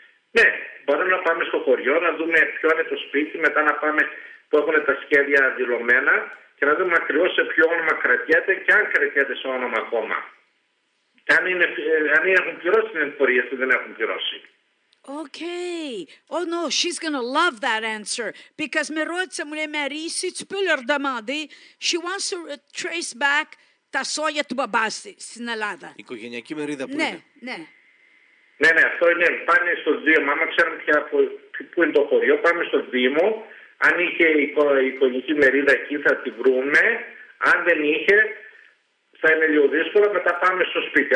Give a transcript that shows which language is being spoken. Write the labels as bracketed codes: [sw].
[el] Ναι, μπορούμε να πάμε στο χωριό, να δούμε ποιο είναι το σπίτι, μετά να πάμε που έχουν τα σχέδια δηλωμένα. Και να δούμε ακριβώς σε ποιο όνομα κρατιέται και αν κρατιέται σε όνομα ακόμα. Και αν έχουν πληρώσει την εμπορία, ή δεν έχουν πληρώσει. [en] Okay. Oh no, she's going to love that answer. [el] Because [en] με ρώτησε, μου λέει, Μαρί, εσύ τσπούλερ δαμάδι, [el] she wants to trace back [en] τα σόγια του μπαμπά στην Ελλάδα. [el] Η οικογενειακή μερίδα που ναι, είναι. Ναι, ναι. Ναι, αυτό είναι. Πάνε στο Δήμο. Άμα ξέρουν πού είναι το χωριό, πάμε στο Δήμο. Αν είχε η οικογενειακή μερίδα εκεί θα τη βρούμε, αν δεν είχε θα είναι λίγο δύσκολο, μετά πάμε στο σπίτι.